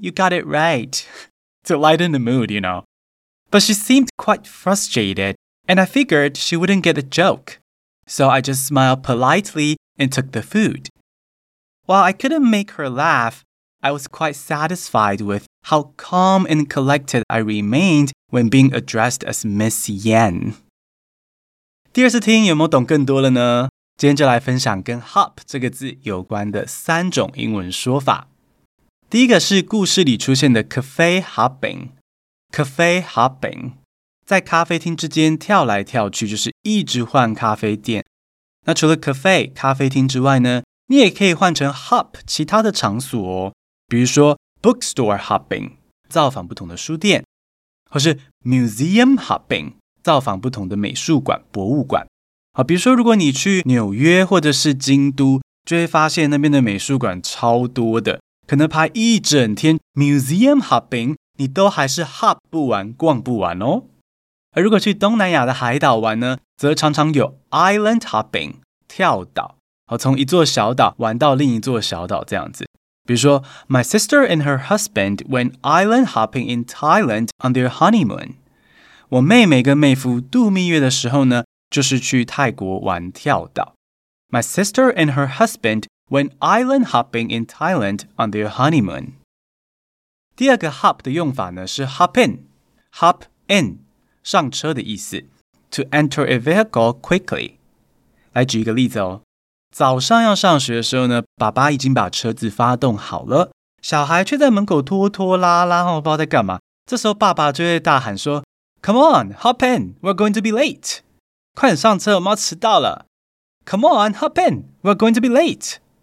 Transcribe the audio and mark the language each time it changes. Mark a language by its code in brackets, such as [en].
[en] You got it right. To lighten the mood, you know. But she seemed quite frustrated, and I figured she wouldn't get the joke. So I just smiled politely and took the food. While I couldn't make her laugh, I was quite satisfied with how calm and collected I remained when being addressed as Miss Yan. [zh] 第二次听有没有懂更多了呢？今天就来分享跟 hop 这个字有关的三种英文说法。第一个是故事里出现的 cafe hopping。cafe hopping 在咖啡厅之间跳来跳去，就是一直换咖啡店。那除了 cafe 咖啡厅之外呢，你也可以换成 hop 其他的场所哦，比如说 bookstore hopping 造访不同的书店，或是 museum hopping 造访不同的美术馆、博物馆。好，比如说如果你去纽约或者是京都，就会发现那边的美术馆超多的，可能排一整天 museum hopping。你都还是 hop 不完逛不完哦。而如果去东南亚的海岛玩呢，则常常有 island hopping 跳岛，从一座小岛玩到另一座小岛这样子。比如说 [en] My sister and her husband went island hopping in Thailand on their honeymoon。 [zh] 我妹妹跟妹夫度蜜月的时候呢，就是去泰国玩跳岛。 [en] My sister and her husband went island hopping in Thailand on their honeymoon。 [zh] 第二个 hop 的用法呢是 hop in, hop in, 上车的意思 [en] to enter a vehicle quickly. [zh] 来举一个例子哦。早上要上学的时候呢，爸爸已经把车子发动好了，小孩却在门口拖拖拉拉，我不知道在干嘛。这时候爸爸就会大喊说 [en] Come on, hop in, we're going to be late. [zh] 快点上车，我们要迟到了。 [en] Come on, hop in, we're going to be late.